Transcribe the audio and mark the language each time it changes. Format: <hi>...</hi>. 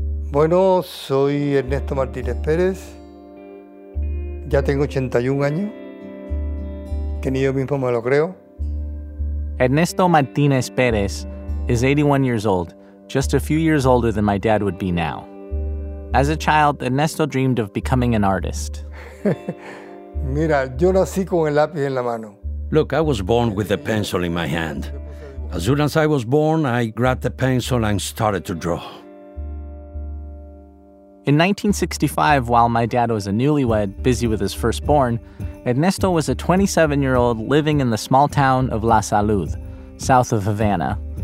<es>Bueno, soy Ernesto Martínez Pérez. Ya tengo 81 años. Que ni yo mismo me lo creo.</es> <en>Ernesto Martínez Pérez is 81 years old, just a few years older than my dad would be now. As a child, Ernesto dreamed of becoming an artist.</en> <es>Mira, yo nací con el lápiz en la mano.</es> <en>Look, I was born with a pencil in my hand. As soon as I was born, I grabbed the pencil and started to draw. In 1965, while my dad was a newlywed, busy with his firstborn, Ernesto was a 27-year-old living in the small town of La Salud, south of Havana.</en>